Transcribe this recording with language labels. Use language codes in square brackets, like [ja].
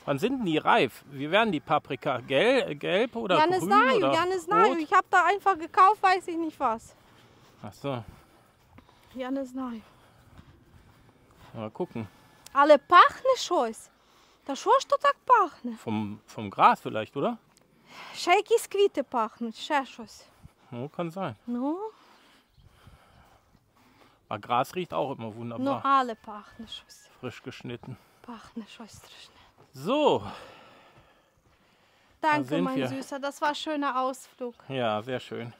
[de] Wann sind denn die reif? Wie werden die Paprika? Gelb oder grün? [uk] Я не знаю. [de] Ich habe da einfach gekauft, weiß ich nicht was. Ach so. [uk] Я не знаю. [de] Mal gucken. [uk] Але пахне щось. Та що ж то так пахне? [de] Vom Gras vielleicht, oder? [uk] Ще якісь квіти пахнуть, ще щось. [de] Ну, kann sein. [uk] Ну? [de] Aber Gras riecht auch immer wunderbar. [uk] Ну, але пахне щось. [de] Frisch geschnitten. [uk] Пахне щось страшне. [de] So. Danke, mein Süßer. Das war ein schöner Ausflug. Ja, sehr schön.